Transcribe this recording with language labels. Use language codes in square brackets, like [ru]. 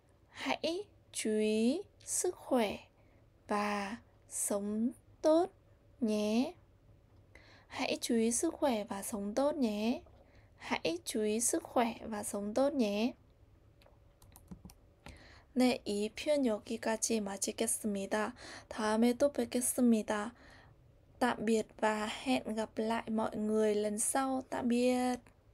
[vi] Hãy chú ý sức khỏe và sống tốt nhé. Hãy chú ý sức khỏe và sống tốt nhé. Hãy chú ý sức khỏe và sống tốt nhé. [ko] 네, 이 표현 여기까지 마치겠습니다. 다음에 또 뵙겠습니다. [vi] Tạm biệt và hẹn gặp lại mọi người lần sau. Tạm biệt.